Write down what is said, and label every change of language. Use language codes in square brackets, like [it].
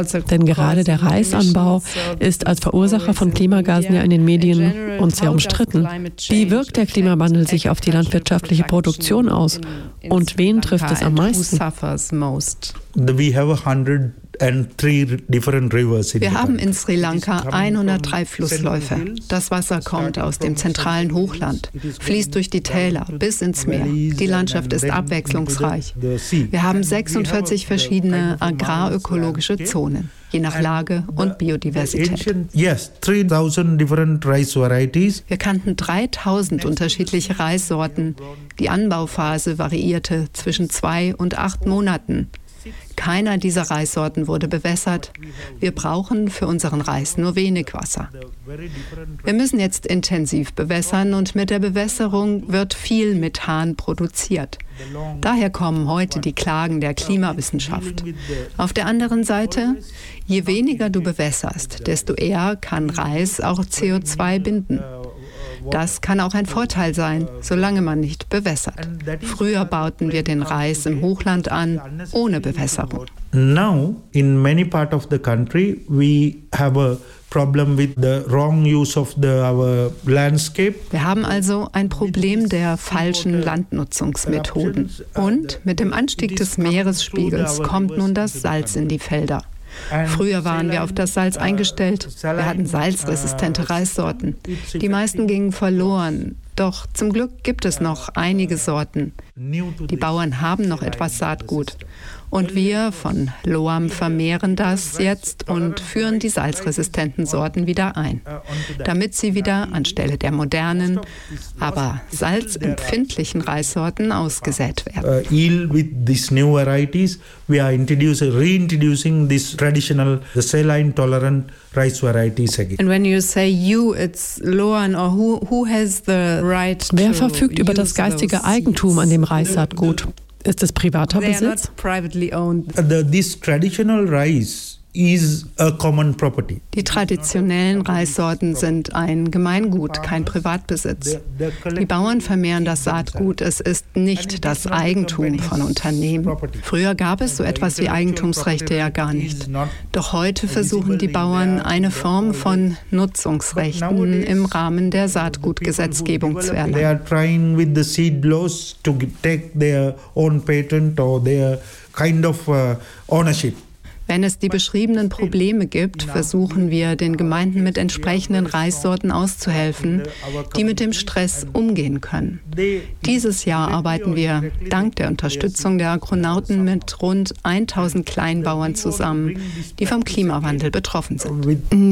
[de] Denn gerade der Reisanbau ist als Verursacher von Klimagasen ja in den Medien und sehr umstritten. Wie wirkt der Klimawandel sich auf die landwirtschaftliche Produktion aus und wen trifft es am meisten? [en] We have 103 different rivers [de] in Wir haben in Sri Lanka 103 Flussläufe. Das Wasser kommt aus dem zentralen Hochland, fließt durch die Täler bis ins Meer. Die Landschaft ist abwechslungsreich. Wir haben 46 verschiedene agrarökologische Zonen, je nach Lage und Biodiversität. [en] Yes, 3000 different rice varieties. [de] Wir kannten 3000 unterschiedliche Reissorten. Die Anbauphase variierte zwischen 2 und 8 Monaten. Keiner dieser Reissorten wurde bewässert. Wir brauchen für unseren Reis nur wenig Wasser. Wir müssen jetzt intensiv bewässern und mit der Bewässerung wird viel Methan produziert. Daher kommen heute die Klagen der Klimawissenschaft. Auf der anderen Seite, je weniger du bewässerst, desto eher kann Reis auch CO2 binden. Das kann auch ein Vorteil sein, solange man nicht bewässert. Früher bauten wir den Reis im Hochland an, ohne Bewässerung. [en] Now, in many parts of the country, we have a problem with the wrong use of our landscape. [de] Wir haben also ein Problem der falschen Landnutzungsmethoden. Und mit dem Anstieg des Meeresspiegels kommt nun das Salz in die Felder. Früher waren wir auf das Salz eingestellt. Wir hatten salzresistente Reissorten. Die meisten gingen verloren. Doch zum Glück gibt es noch einige Sorten. Die Bauern haben noch etwas Saatgut. Und wir von Loam vermehren das jetzt und führen die salzresistenten Sorten wieder ein, damit sie wieder anstelle der modernen, aber salzempfindlichen Reissorten ausgesät werden. [en] Ill with these new varieties, we are reintroducing these traditional saline tolerant rice varieties again. And when you say you, it's Loam, or who has the right to [de] Wer verfügt über das geistige Eigentum an dem Reissaatgut? Ist es privater [en] They [de] Besitz? [en] Are not privately owned. This traditional rice is a common property. [de] Die traditionellen Reissorten sind ein Gemeingut, kein Privatbesitz. Die Bauern vermehren das Saatgut, es ist nicht das Eigentum von Unternehmen. Früher gab es so etwas wie Eigentumsrechte ja gar nicht. Doch heute versuchen die Bauern, eine Form von Nutzungsrechten im Rahmen der Saatgutgesetzgebung zu erlangen. [en] They are trying with the seed laws to take their own patent or their kind of ownership. [de] Wenn es die beschriebenen Probleme gibt, versuchen wir, den Gemeinden mit entsprechenden Reissorten auszuhelfen, die mit dem Stress umgehen können. Dieses Jahr arbeiten wir dank der Unterstützung der Agronauten mit rund 1000 Kleinbauern zusammen, die vom Klimawandel betroffen sind.